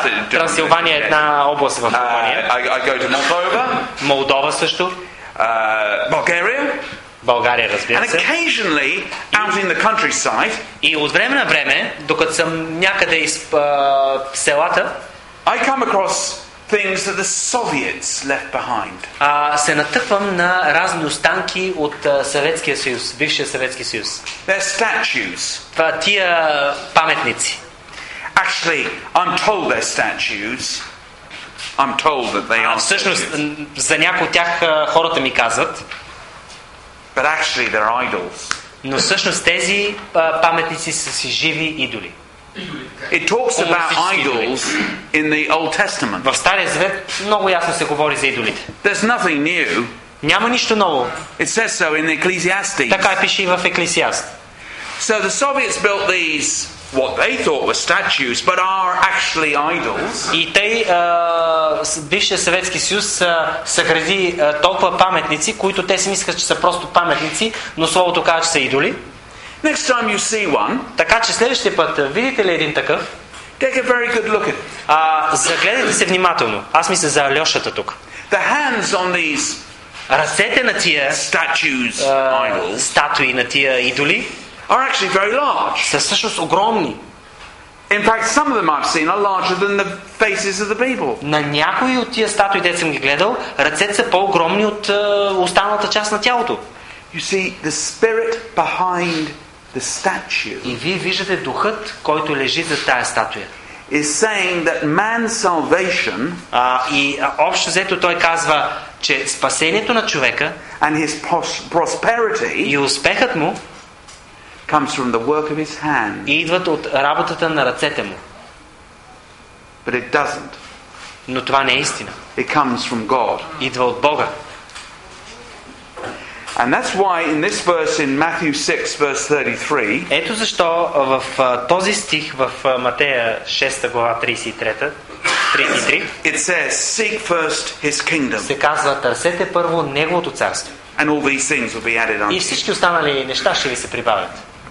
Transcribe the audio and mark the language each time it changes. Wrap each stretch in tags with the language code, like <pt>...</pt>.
<bg>Трансилвания е една област в Румъния.</bg> <en>I go to Moldova.</en> <bg>Молдова също.</bg> <en>Bulgaria.</en> <bg>България, разбира се.</bg> <en>And occasionally out in the countryside.</en> <bg>И от време на време, докато съм някъде из селата,</bg> <en>I come across things that the Soviets left behind.</en> <bg>Се натъквам на разни останки от Съветския съюз, бившия Съветски съюз.</bg> <en>Their statues.</en> <bg>Това тия паметници.</bg> <en>Actually, I'm told their statues. I'm told that they are.</en> <bg>Всъщност за някои от тях хората ми казват.</bg> <en>But actually they're idols.</en> <bg>Но всъщност тези паметници са си живи идоли.</bg> <en>It talks about idols in the Old Testament.</en> <bg>В Стария Завет много ясно се говори за идолите.</bg> <en>There's nothing new.</en> <bg>Няма нищо ново.</bg> <en>It says so in Ecclesiastes.</en> <bg>Така пише и в Еклесиаст.</bg> <en>So the Soviets built these what they thought were statues but are actually idols.</en> <bg>И те бившия Съветски съюз съгради толкова паметници, които те си мислят, че са просто паметници, но словото казва, че са идоли.</bg> <en>Next time you see one,</en> <bg>така че следващия път видите ли един такъв,</bg> <en>take a very good look at.</en> <bg>Загледайте се внимателно. Аз мисля за Алёшата тук.</bg> <en>The hands on these,</en> <bg>ръцете на тия</bg> <en>statues, idols,</en> <bg>статуи на тия идоли,</bg> <en>are actually very large.</en> <bg>Са всъщност огромни.</bg> <en>In fact, some of them I've seen are larger than the faces of the people.</en> <bg>На някои от тия статуи, дето съм ги гледал, ръцете са по-огромни от останалата част на тялото.</bg> <en>You see the spirit behind the statue.</en> <bg>И вие виждате духът, който лежи за тая статуя.</bg> <en>Is saying that man's salvation,</en> <bg>общо взето той казва, че спасението на човека,</bg> <en>and his prosperity,</en> <bg>и успехът му,</bg> <en>comes from the work of his hand.</en> <bg>Идват от работата на ръцете му.</bg> <en>But it doesn't.</en> <bg>Но това не е истина.</bg> <en>It comes from God.</en> <bg>Идва от Бога.</bg> <en>And that's why in this verse in Matthew 6 verse 33.</en> <bg>Ето защо в този стих в Матея 6 глава 33.</bg> <en>It says seek first his kingdom.</en> <bg>Се казва търсете първо неговото царство.</bg> <en>And all these things will be added unto.</en> <bg>И всички останали неща ще ви се прибавят.</bg>